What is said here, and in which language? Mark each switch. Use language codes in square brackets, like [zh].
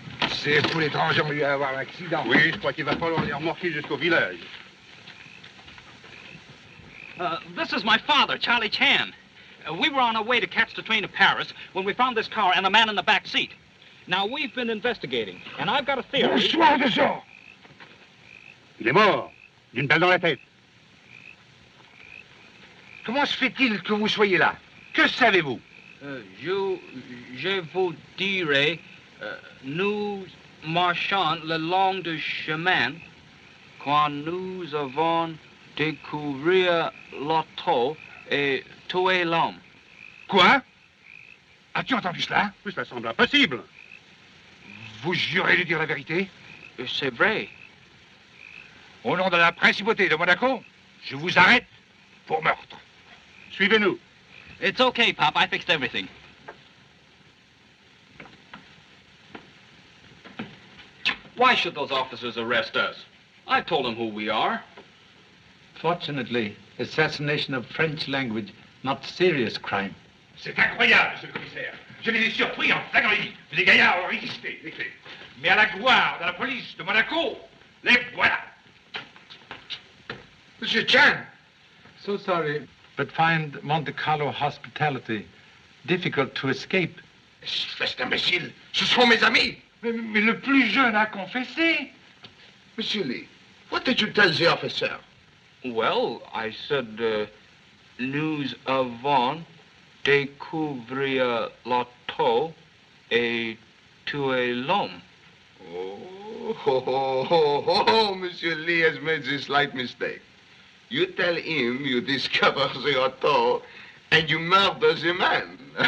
[fr] C'est pour l'étranger, on lui a avoir un accident. Oui, je crois qu'il va falloir les remorquer jusqu'au village. [en] This is my father, Charlie Chan. We were on our way to catch the train to Paris when we found this car and a man in the back seat. Now, we've been investigating, and I've got a theory... [fr] Bonsoir, monsieur! Il est mort, d'une balle dans la tête. Comment se fait-il que vous soyez là? Que savez-vous? Je vous dirai... nous marchons le long du chemin quand nous avons découvert l'auto et tué l'homme. Quoi? As-tu entendu cela? Oui, cela semble impossible. Vous jurez de dire la vérité? C'est vrai. Au nom de la principauté de Monaco, je vous arrête pour meurtre. Suivez-nous. [en] It's okay, Pop. I fixed everything. Why should those officers arrest us? I told them who we are. Fortunately, assassination of French language, not serious crime. [fr] C'est incroyable, monsieur le commissaire. Je les ai surpris en flagrant délit. Les gaillards ont résisté. Mais à la gloire de la police de Monaco, les voilà. Monsieur Chan. [en] So sorry, but find Monte Carlo hospitality difficult to escape. [fr] Espèce d'imbécile, ce sont mes amis. Mais le plus jeune a confessé. [en] Monsieur Lee, what did you tell the officer? Well, I said, [fr] news avant, découvrir la tour et tuer l'homme. [en] Oh, Monsieur Lee has made this slight mistake. You tell him you discover the auto and you murder the man.